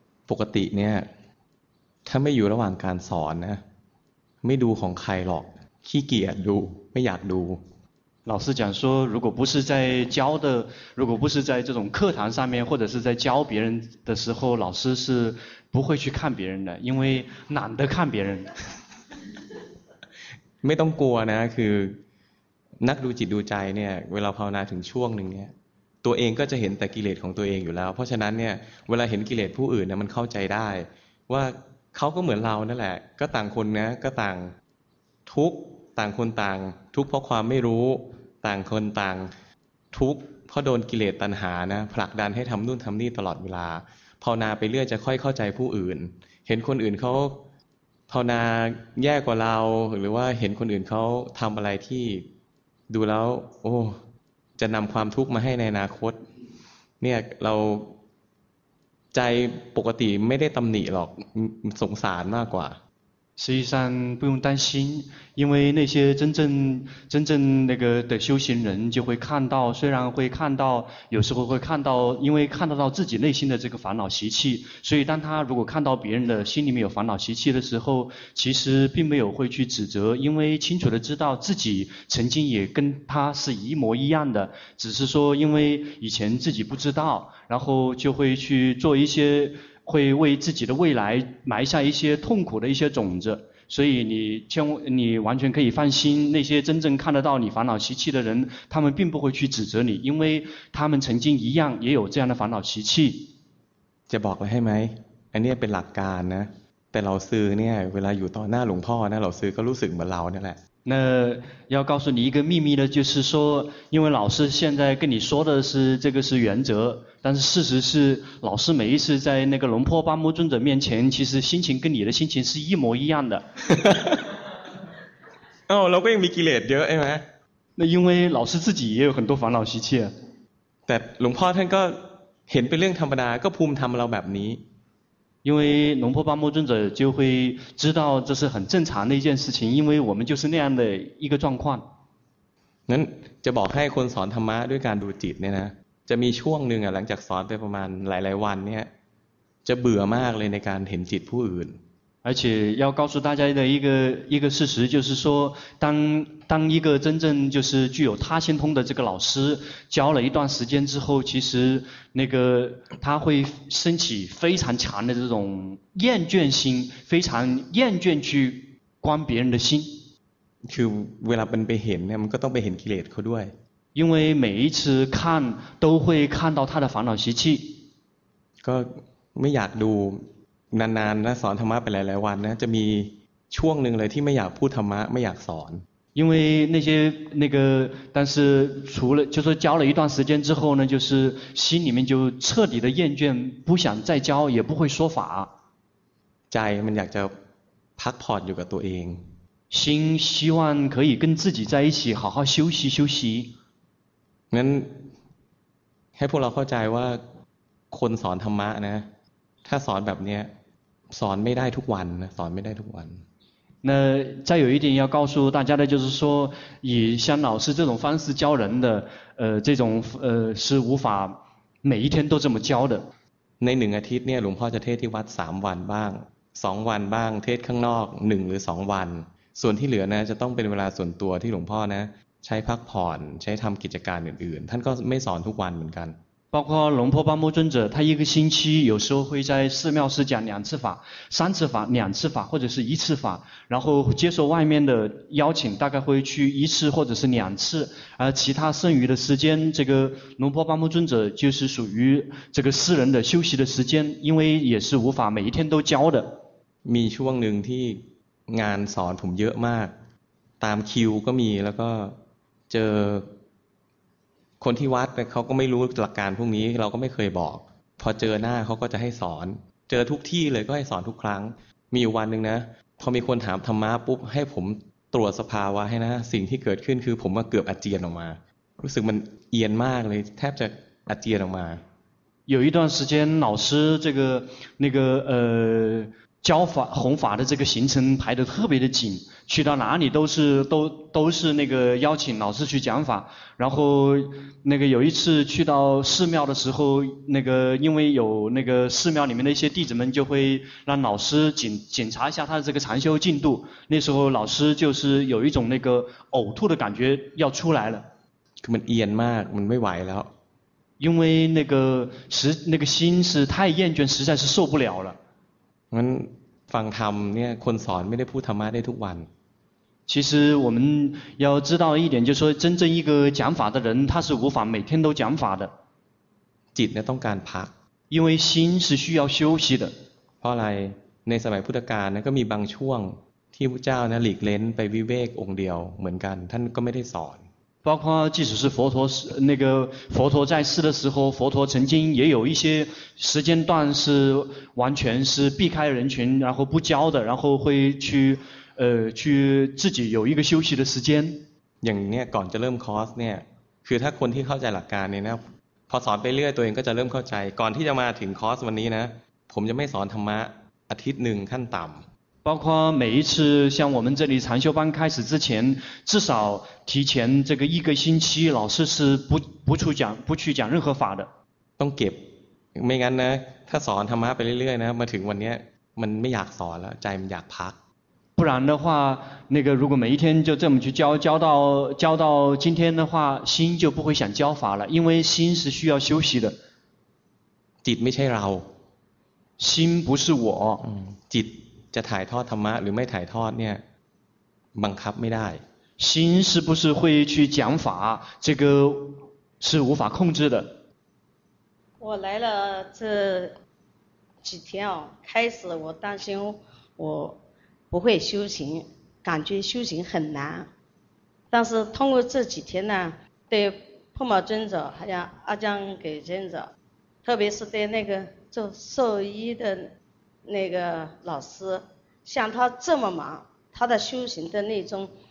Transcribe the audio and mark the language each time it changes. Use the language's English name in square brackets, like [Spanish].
[Thai] ปกติเนี่ยถ้าไม่อยู่ระหว่างการสอนนะไม่ดูของใครหรอกขี้เกียจดูไม่อยากดู [Chinese] 老师讲说如果不是在教的如果不是在这种课堂上面或者是在教别人的时候老师是不会去看别人的因为懒得看别人 [Thai] ไม่ต้องกลัวนะคือนักดูจิตดูใจเนี่ยเวลาภาวนาถึงช่วงนึงเนี่ยตัวเองก็จะเห็นแต่กิเลสของตัวเองอยู่แล้วเพราะฉะนั้นเนี่ยเวลาเห็นกิเลสผู้อื่นนะมันเข้าใจได้ว่าเขาก็เหมือนเรานั่นแหละก็ต่างคนนะก็ต่าง ทุกข์ต่างคนต่างทุกข์เพราะความไม่รู้ต่างคนต่างทุกข์เพราะโดนกิเลสตัณหานะผลักดันให้ทำนู่นทำนี่ตลอดเวลาภาวนาไปเรื่อยจะค่อยเข้าใจผู้อื่นเห็นคนอื่นเขาภาวนาแย่กว่าเราหรือว่าเห็นคนอื่นเขาทำอะไรที่ดูแล้วโอ้จะนำความทุกข์มาให้ในอนาคตเนี่ยเราใจปกติไม่ได้ตำหนิหรอกสงสารมากกว่า [Chinese] 实际上不用担心因为那些真正那个的修行人就会看到虽然会看到有时候会看到因为看到自己内心的这个烦恼习气所以当他如果看到别人的心里面有烦恼习气的时候其实并没有会去指责因为清楚的知道自己曾经也跟他是一模一样的只是说因为以前自己不知道然后就会去做一些会为自己的未来埋下一些痛苦的一些种子所以你完全可以放心那些真正看得到你烦恼习气的人他们并不会去指责你因为他们曾经一样也有这样的烦恼习气 [Thai] จะบอกเลยให้ไหมอันนี้เป็นหลักการนะแต่老师เนี่ยเวลาอยู่ต่อหน้าหลวงพ่อนะ老师ก็รู้สึกเหมือนเรานี่แหละ [Chinese] 那要告诉你一个秘密的就是说因为老师现在跟你说的是这个是原则但是事实是老师每一次在那个龙坡巴木尊者面前其实心情跟你的心情是一模一样的 [Thai] 哦เราก็ยังมีกิเลสเยอะใช่ไหม [Chinese] 那因为老师自己也有很多烦恼习气 [Thai] แต่หลวงพ่อท่านก็เห็นเป็นเรื่องธรรมดาก็ภูมิธรรมเราแบบนี้ [Chinese] 因为龙婆巴木尊者就会知道这是很正常的一件事情因为我们就是那样的一个状况 [Thai] นั้นจะบอกให้คนสอนธรรมะด้วยการดูจิตเนี่ยนะจะมีช่วงหนึ่งหลังจากสอนไปประมาณหลายๆวันเนี่ยจะเบื่อมากเลยในการเห็นจิตผู้อื่น [Chinese] 而且要告诉大家的一个事实就是说当一个真正就是具有他心通的这个老师教了一段时间之后其实那个他会升起非常强的这种厌倦心非常厌倦去观别人的心 [Thai] คือเวลามันไปเห็นเนี่ยมันก็ต้องไปเห็นกิเลสเขาด้วย [Chinese] 因为每一次看都会看到他的烦恼习气 [Thai] ก็ไม่อยากดูนานๆแล้วสอนธรรมะไปหลายๆวันนะจะมีช่วงนึงเลยที่ไม่อยากพูดธรรมะไม่อยากสอน [Chinese] 因为那些那个但是除了就说教了一段时间之后呢就是心里面就彻底的厌倦不想再教也不会说法 [Thai] ใจมันอยากจะพักผ่อนอยู่กับตัวเอง [Chinese] 心希望可以跟自己在一起好好休息休息 [Thai] งั้นให้พวกเราเข้าใจว่าคนสอนธรรมะนะถ้าสอนแบบนี้สอนไม่ได้ทุกวันสอนไม่ได้ทุกวัน [Chinese] 那再有一点要告诉大家的就是说以像老师这种方式教人的这种是无法每一天都这么教的 [Thai] ในหนึ่งอาทิตย์เนี่ยหลวงพ่อจะเทศที่วัด3วันบ้าง2วันบ้างเทศข้างนอก1หรือ2วันส่วนที่เหลือนะจะต้องเป็นเวลาส่วนตัวที่หลวงพ่อนะใช้พักผ่อนใช้ทำกิจการอื่นๆท่านก็ไม่สอนทุกวันเหมือนกัน [Chinese] 包括龙婆巴摩尊者，他一个星期有时候会在寺庙是讲两次法、三次法、两次法或者是一次法，然后接受外面的邀请，大概会去一次或者是两次，而其他剩余的时间，这个龙婆巴摩尊者就是属于这个私人的休息的时间，因为也是无法每一天都教的。 [Thai] มีช่วงหนึ่งที่งานสอนผมเยอะมากตามคิวก็มีแล้วก็เจอคนที่วัดเขาก็ไม่รู้หลักการพวกนี้เราก็ไม่เคยบอกพอเจอหน้าเขาก็จะให้สอนเจอทุกที่เลยก็ให้สอนทุกครั้งมีอยู่วันนึงนะพอมีคนถามธรรมะปุ๊บให้ผมตรวจสภาวะให้นะสิ่งที่เกิดขึ้นคือผมเกือบอาเจียนออกมารู้สึกมันเอียนมากเลยแทบจะอาเจียนออกมา [Chinese] 有一段时间老师这个那个教法弘法的这个行程排得特别的紧，去到哪里都是那个邀请老师去讲法，然后那个有一次去到寺庙的时候，那个因为有那个寺庙里面的一些弟子们就会让老师检查一下他的这个禅修进度，那时候老师就是有一种那个呕吐的感觉要出来了， [Thai] มันเอียนมากมันไม่ไหวแล้ว， [Chinese] 因为那个心是太厌倦，实在是受不了了。 [Thai] งั้นฟังธรรมเนี่ยคนสอนไม่ได้พูดธรรมะได้ทุกวัน [Chinese] 其实我们要知道一点就是说真正一个讲法的人他是无法每天都讲法的 [Thai] จิตเนี่ยต้องการพัก [Chinese] 因为心是需要休息的 [Thai] เพราะอะไรในสมัยพุทธกาลนั้นก็มีบางช่วงที่พระเจ้าเนี่ยหลีกเล้นไปวิเวกองค์เดียวเหมือนกันท่านก็ไม่ได้สอน [Chinese] 包括即使是佛陀那个佛陀在世的时候，佛陀曾经也有一些时间段是完全是避开人群，然后不教的，然后会去自己有一个休息的时间。 [Thai] อย่างเนี้ยก่อนจะเริ่มคอร์สเนี่ยคือถ้าคนที่เข้าใจหลักการเนี่ยนะพอสอนไปเรื่อยตัวเองก็จะเริ่มเข้าใจก่อนที่จะมาถึงคอร์สวันนี้นะผมจะไม่สอนธรรมะอาทิตย์หนึ่งขั้นต่ำ [Chinese] 包括每一次像我们这里禅修班开始之前，至少提前这个一个星期，老师是不去讲任何法的。 [Thai] ต้องเก็บ ไม่งั้นนะ ถ้าสอนธรรมะไปเรื่อยๆนะ มาถึงวันนี้ มันไม่อยากสอนแล้ว ใจมันอยากพัก [Chinese] 不然的话，那个如果每一天就这么去教到今天的话，心就不会想教法了，因为心是需要休息的。 [Thai] จิตไม่ใช่เรา [Chinese] 心不是我。 [Thai] จิตจะถ่ายทอดธรรมะหรือไม่ถ่ายทอดเนี่ยบังคับไม่ได้ [Chinese] 心是不是会去讲法这个是无法控制的我来了这几天哦开始我担心我不会修行感觉修行很难但是通过这几天呢对破魔尊者还有阿姜给尊者特别是对那个做兽医的那个老师像他这么忙他的修行的那种